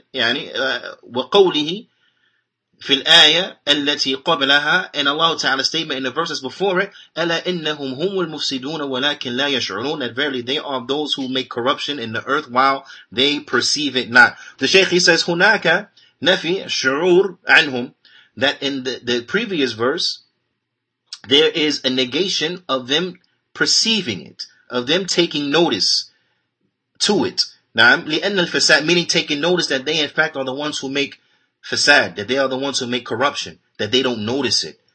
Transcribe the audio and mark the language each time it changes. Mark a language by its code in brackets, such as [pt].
[ar] يعني وقوله في الآية التي قبلها, [en] and Allah Ta'ala's statement in the verses before it, [ar] ألا إنهم هم المفسدون ولكن لا يشعرون. [en] That verily they are those who make corruption in the earth while they perceive it not. The Shaykh, he says, [ar] هناك نفي شعور عنهم. [en] That in the previous verse, there is a negation of them perceiving it, of them taking notice to it. [ar] نعم لأن الفساد, [en] meaning taking notice that they in fact are the ones who make fasad, that they are the ones who make corruption, that they don't notice it.